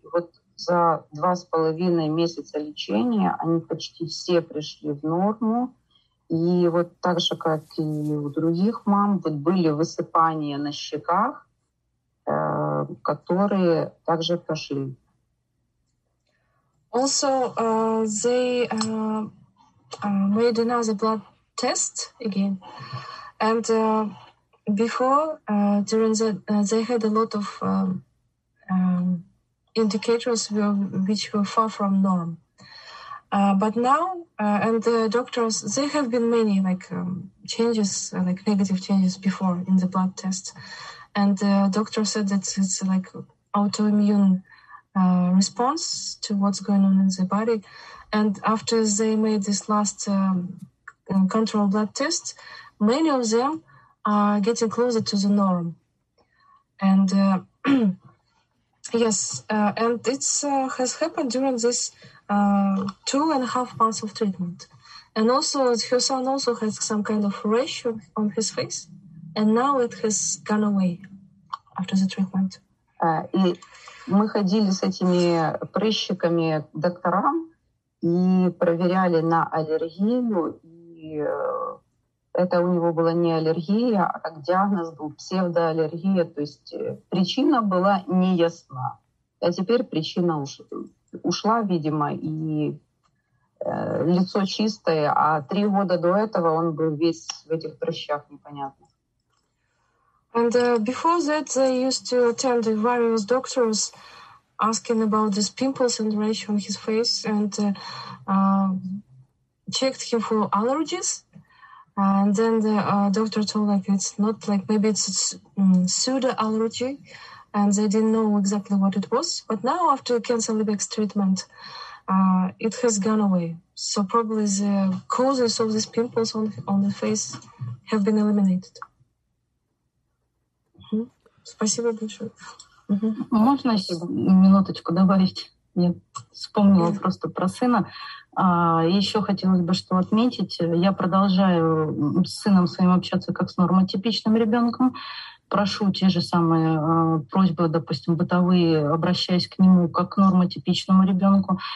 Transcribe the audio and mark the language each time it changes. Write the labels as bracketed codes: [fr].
[ru] И вот за 2.5 месяца лечения они почти все пришли в норму. И вот так же, как и у других мам, вот были высыпания на щеках, которые также прошли. [en] Also, made another blood test again, and before during the they had a lot of indicators which were far from norm, but now and the doctors, there have been many like changes, like negative changes before in the blood test, and the doctor said that it's like autoimmune response to what's going on in the body, and after they made this last control blood test, many of them are getting closer to the norm. And yes, and it's has happened during this 2.5 months of treatment. And also her son also has some kind of rash on his face, and now it has gone away after the treatment. [ru] И мы ходили с этими прыщиками к докторам и проверяли на аллергию. И это у него была не аллергия, а как диагноз был псевдоаллергия. То есть причина была неясна. А теперь причина ушла, видимо, и лицо чистое. А 3 года до этого он был весь в этих прыщах, непонятно. [en] And before that, they used to attend various doctors asking about these pimples and rash on his face. And... checked him for allergies, and then the doctor told like it's not like maybe it's pseudo allergy, and they didn't know exactly what it was. But now after cancer Alibek treatment, it has gone away. So probably the causes of these pimples on the face have been eliminated. [ru] Спасибо большое. Можно еще минуточку добавить? Я вспомнила просто про сына. Еще хотелось бы что отметить. Я продолжаю с сыном своим общаться как с нормотипичным ребенком. Прошу те же самые просьбы, допустим, бытовые, обращаясь к нему как к нормотипичному ребенку.